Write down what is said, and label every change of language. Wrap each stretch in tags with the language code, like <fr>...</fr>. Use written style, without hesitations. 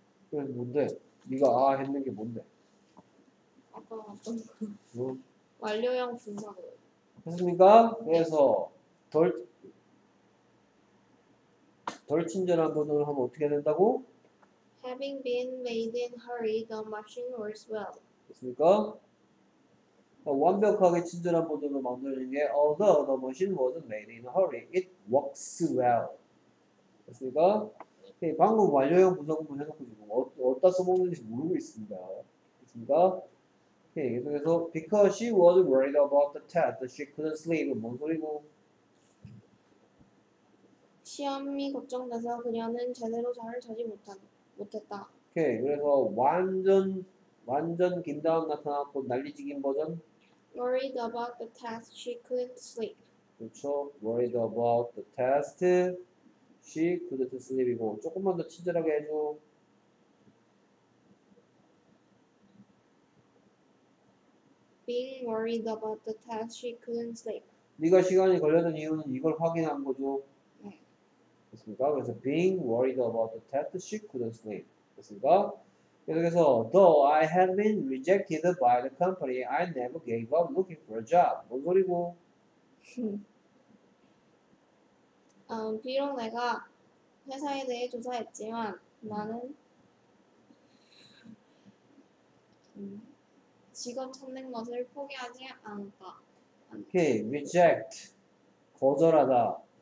<ko>그래서 뭔데? 네가 아 했는 게 뭔데? 아까 어떤 거? 응. 완료형 분사로. 했습니까? 그래서 덜 친절한 분으로 하면 어떻게 된다고?</ko> <en>Having been made in hurry, the machine works well.</en> <ko>했습니까? 완벽하게 친절한 버전으로 만드는 게</ko> <en>although the machine was made in a hurry, it works well.</en> <ko>됐습니까? 오케이. 방금 완료형 분석문 해놓고 지금 어디다 써먹는지 모르고 있습니다. 있습니다. 오케이. 계속해서</ko> <en>because she was worried about the test, she couldn't sleep.</en> <ko>뭔 소리고? 시험이 걱정돼서 그녀는 제대로 잠을 자지 못했다. 오케이. 그래서 완전 긴 다음 나타났고 난리지긴 버전.</ko> <en>Worried about the test, she couldn't sleep.</en> <ko>그렇죠.</ko> <en>Worried about the test, she couldn't sleep이고</en> <ko>조금만 더 친절하게 해줘.</ko> <en>Being worried about the test, she couldn't sleep.</en> <ko>네가 시간이 걸려는 이유는 이걸 확인한 거죠. 됐습니까? 그래서</ko> <en>being worried about the test, she couldn't sleep.</en> <ko>됐습니까? 계속해서</ko> <en>though I had been rejected by the company, I never gave up looking for a job.</en> <ko>뭔 소리고? 비록 내가 회사에 대해 조사했지만 나는 직업 찾는 것을 포기하지 않았다. Okay, reject. 거절하다.</ko>